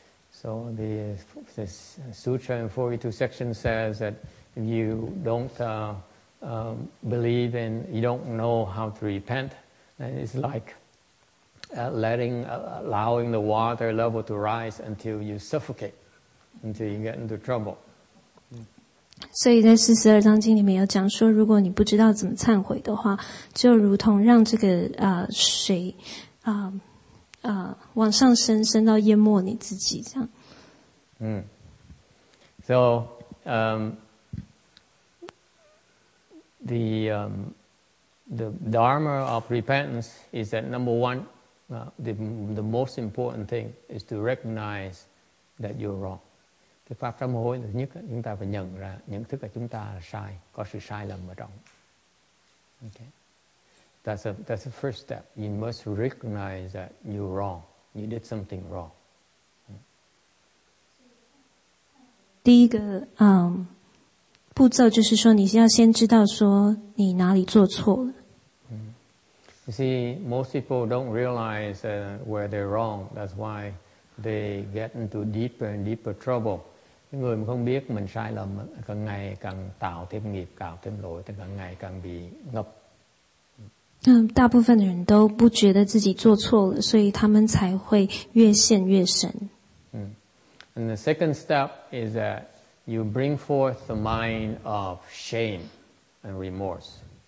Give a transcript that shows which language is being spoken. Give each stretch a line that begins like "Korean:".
English: So the sutra in 42 section says that if you don't believe in, you don't know how to repent, then it's like allowing the water level to rise until you suffocate, until you get into trouble.
Chinese: 所以在42章经里面有讲说，如果你不知道怎么忏悔的话，就如同让这个水往上升，升到淹没你自己这样。
English: So, the dharma of repentance is that number one. The most important thing is to recognize that you're wrong.
Vietnamese: Cái pháp sám hối là nhất chúng ta phải nhận ra nhận thức là chúng ta là sai, có sự sai lầm ở trong.
English: Okay. That's the first step. You must recognize that you're wrong. You did something wrong.
Chinese: 第一个步骤就是说你要先知道说你哪里做错了。
English: You see, most people don't realize where they're wrong. That's why they get into deeper and deeper trouble.
Vietnamese: Những người mà không biết mình sai lầm, càng ngày càng tạo thêm nghiệp, tạo thêm lỗi, thì càng ngày càng bị ngập.
Chinese: 大部分的人都不觉得自己做错了，所以他们才会越陷越深。
English: And the second step is that you bring forth the mind of shame and remorse.